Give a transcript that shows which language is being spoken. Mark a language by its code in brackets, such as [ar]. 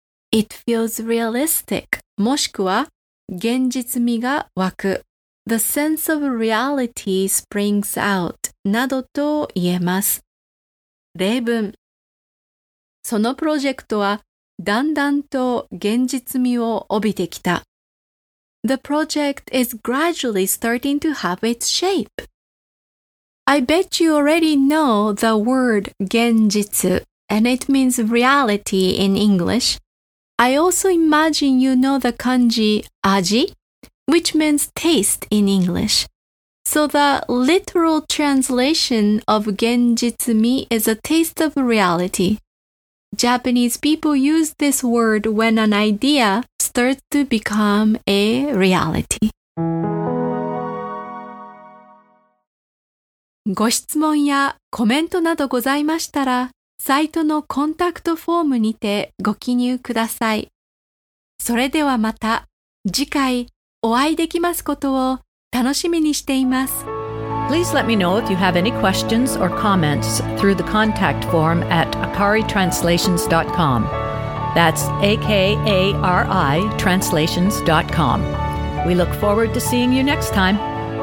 [en] It feels realistic [ja] もしくは現実味が湧く。 [en] The sense of reality springs out [ja] などと言えます。例文。そのプロジェクトはだんだんと現実味を帯びてきた。 [en] The project is gradually starting to have its shape. I bet you already know the word 現実 and it means reality in English. I also imagine you know the kanji 味 which means taste in English. So the literal translation of genjitsumi is a taste of reality. Japanese people use this word when an idea starts to become a reality. [ja] ご質問やコメントなどございましたら、サイトのコンタクトフォームにてご記入ください。それではまた次回お会いできますことを楽しみにしています。 [en] Please let me know if you have any questions or comments through the contact form at akaritranslations.com. That's akaritranslations.com. We look forward to seeing you next time.